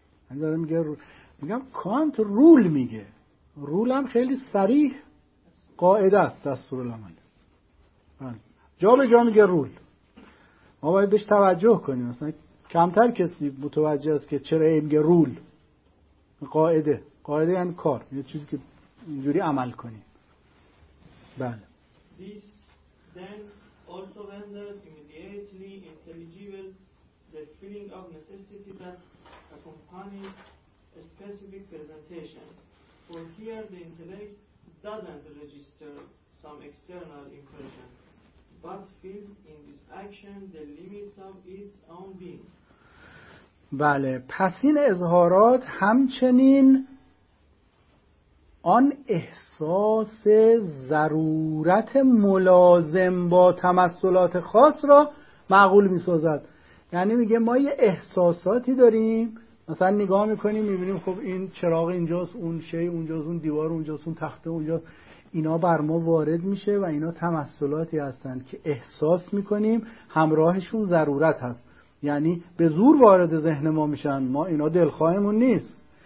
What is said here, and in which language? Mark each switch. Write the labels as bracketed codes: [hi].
[fa] این داره میگه میگم کانت رول میگه. رول هم خیلی صریح قاعده است، دستورالعمل. جا به جا میگه رول. ما باید بهش توجه کنیم. مثلا کمتر کسی متوجه است که چرا میگه رول. قاعده. قاعده یعنی کار. یه چیزی که اینجوری عمل کنیم. بله. [en] This then also renders immediately intelligible the feeling of necessity that accompanies a specific presentation. For here the intellect doesn't register some external impression, but feels in this action the limits of its own being. [fa] بله، پس این اظهارات همچنین آن احساس ضرورت ملازم با تمثلات خاص را معقول می سازد. یعنی میگه ما یه احساساتی داریم، مثلا نگاه میکنیم میبینیم خب این چراغ اینجاست، اون شی اونجاست، اون دیوار اونجاست، اون تخته اونجاست، اینا بر ما وارد میشه و اینا تمثلاتی هستن که احساس میکنیم همراهشون ضرورت هست، یعنی به زور وارد ذهن ما میشن، ما اینا دلخواهمون نیست.